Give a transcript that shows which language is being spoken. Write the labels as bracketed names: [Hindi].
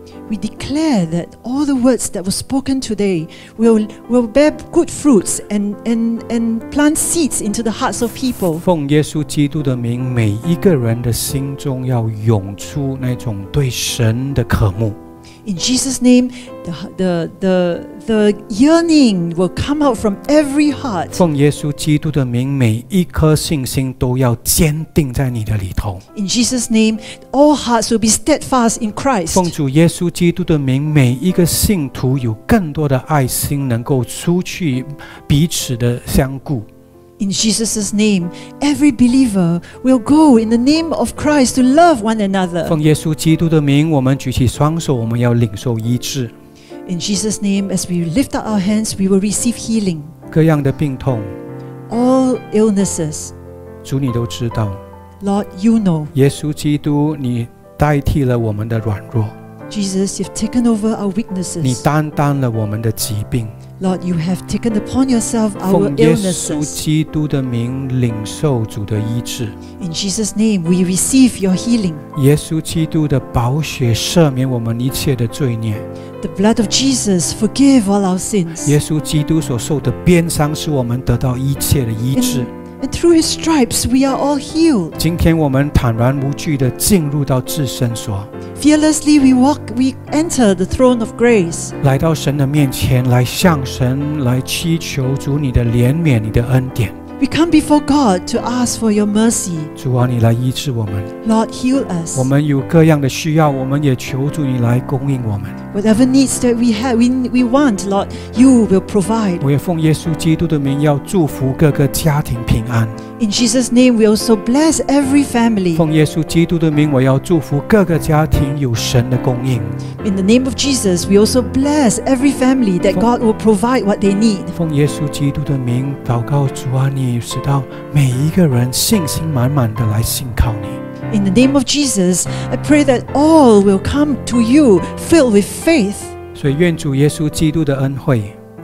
[English] We declare that all the words that were spoken today will bear good fruits and plant seeds into the hearts of people. [Chinese] 奉耶稣基督的名，每一个人的心中要涌出那种对神的渴慕。 [English] In Jesus' name, the yearning will come out from every heart. [Chinese] 奉耶稣基督的名，每一颗信心都要坚定在你的里头。 [English] In Jesus' name, all hearts will be steadfast in Christ. [Chinese] 奉主耶稣基督的名，每一个信徒有更多的爱心，能够出去彼此的相顾。 [English] In Jesus' name, every believer will go in the name of Christ to love one another. [Chinese] 奉耶稣基督的名，我们举起双手，我们要领受医治。 [English] In Jesus' name, as we lift up our hands, we will receive healing. [Chinese] 各样的病痛 [English] ，all illnesses. [Chinese] 主你都知道。 [English] Lord, you know. [Chinese] 耶稣基督，你代替了我们的软弱。 [English] Jesus, you've taken over our weaknesses. [Chinese] 你担当了我们的疾病。 [English] Lord, you have taken upon yourself our illnesses. [Chinese] 奉耶稣基督的名，领受主的医治。 [English] In Jesus' name, we receive your healing. [Chinese] 耶稣基督的宝血赦免我们一切的罪孽。 [English] The blood of Jesus forgive all our sins. [Chinese] 耶稣基督所受的鞭伤使我们得到一切的医治。 [English] And through his stripes, we are all healed. [Chinese] 今天我们坦然无惧地进入到至圣所。 [English] Fearlessly, we enter the throne of grace. [Chinese] 来到神的面前，来向神来祈求主你的怜悯，你的恩典。 [English] We come before God to ask for your mercy. [Chinese] 主啊，你来医治我们。 [English] Lord, heal us. [Chinese] 我们有各样的需要，我们也求主你来供应我们。 [English] Whatever needs that we have, we want, Lord, you will provide. [Chinese] 我也奉耶稣基督的名，要祝福各个家庭平安。 [English] In Jesus' name, we also bless every family. [Chinese] 奉耶稣基督的名，我要祝福各个家庭有神的供应。 [English] In the name of Jesus, we also bless every family that God will provide what they need. [Chinese] 奉耶稣基督的名，祷告主啊，你使到每一个人信心满满的来信靠你。 [English] In the name of Jesus, I pray that all will come to you filled with faith. [Chinese] 所以愿主耶稣基督的恩惠。